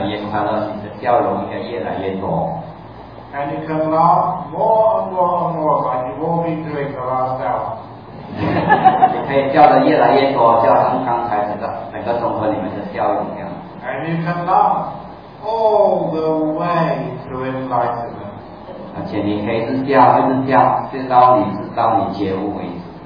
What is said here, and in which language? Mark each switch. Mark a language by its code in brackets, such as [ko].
[zh] 所以你学的越多佛法的话，你就越来越快乐，你的笑容也越来越多。 [en] And you can laugh more and more and more, like you've all been doing the last hour. [zh] 你可以笑得越来越多，像刚才那个同学你们的笑容一样。 [en] And you can laugh all the way to enlightenment. [zh] 而且你可以一直笑，一直笑，直到你觉悟为止。